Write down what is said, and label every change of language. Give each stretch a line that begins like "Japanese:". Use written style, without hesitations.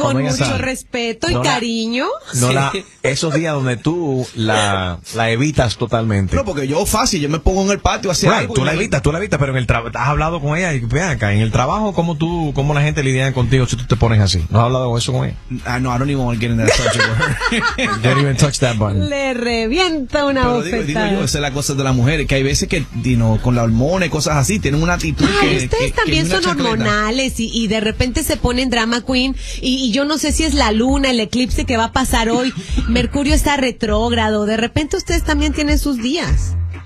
Spanish: con ella mucho sabe. Respeto y no cariño. Esos días donde tú la evitas totalmente. No, porque yo fácil, yo me pongo en el patio así. Right, tú la evitas, pero en el trabajo, has hablado con ella y ven acá, en el trabajo, ¿cómo la gente lidia contigo si tú te pones así? ¿No has hablado con eso con ella?
English: No, I don't even want to get in that subject. Don't even touch that button.
Spanish: Le revienta una bofetada. Digo yo, esa es la cosa de las mujeres, que hay veces que, con la hormona y cosas así, tienen una actitud son hormonales y de repente se ponen drama queen y yo no sé si es la luna, el eclipse que va a pasar hoy, Mercurio está retrógrado, de repente ustedes también tienen sus días.